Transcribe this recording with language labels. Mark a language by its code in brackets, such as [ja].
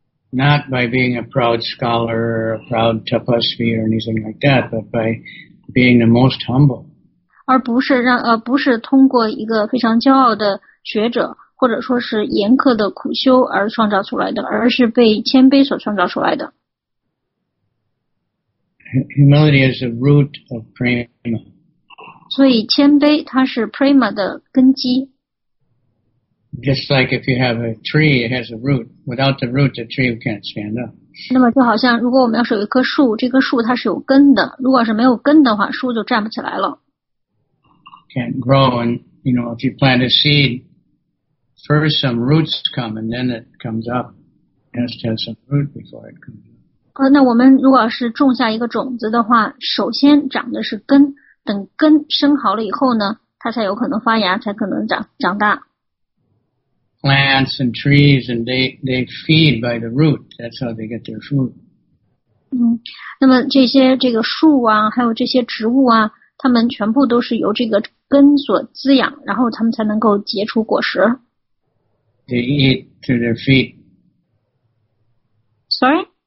[en] Not by being a proud scholar or a proud tapasvi or anything like that, but by being the most humble. [zh] 而不是让不是通过一个非常骄傲的学者或者说是严苛的苦修而创造出来的，而是被谦卑所创造出来的。 [en] Humility is the root of prema. [zh] 所以谦卑它是 prema 的根基。 [en] Just like if you have a tree, it has a root. Without the root, the tree can't stand up. [zh] 那么就好像如果我们要是有一棵树，这棵树它是有根的。如果是没有根的话，树就站不起来了。 [en] Can't grow, and you know, if you plant a seed, first some roots come, and then it comes up. It has to have some root before it comes up. [zh] 那我们如果是种下一个种子的话，首先长的是根。等根生好了以后呢，它才有可能发芽，才可能长大。 [en] Plants and trees and they feed by the root. That's how they get their food. [zh] 那么这些这个树啊，还有这些植物啊，它们全部都是由这个根所滋养，然后它们才能够结出果实。 [en] They eat through their feet. Sorry?